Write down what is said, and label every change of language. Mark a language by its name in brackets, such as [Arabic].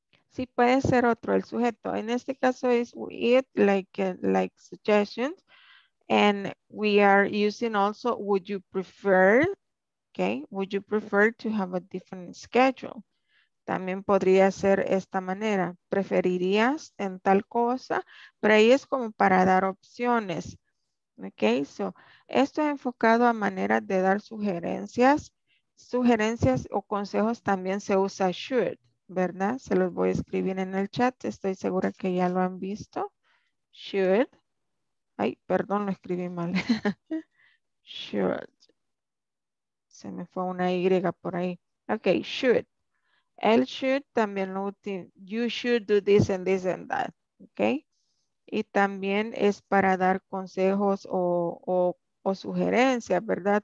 [Spanish] Sí, puede ser otro el sujeto. En este caso es it like suggestions. [English] And we are using also, would you prefer, okay? Would you prefer to have a different schedule? [Spanish] También podría ser esta manera. ¿Preferirías en tal cosa? Pero ahí es como para dar opciones, okay? So, esto es enfocado a maneras de dar sugerencias. Sugerencias o consejos también se usa should, ¿verdad? Se los voy a escribir en el chat. Estoy segura que ya lo han visto. Should. Ay, perdón, lo escribí mal. Should. Se me fue una Y por ahí. Ok, should. El should también lo utiliza. [English] You should do this and this and that. Ok. [Spanish] Y también es para dar consejos o sugerencias, ¿verdad?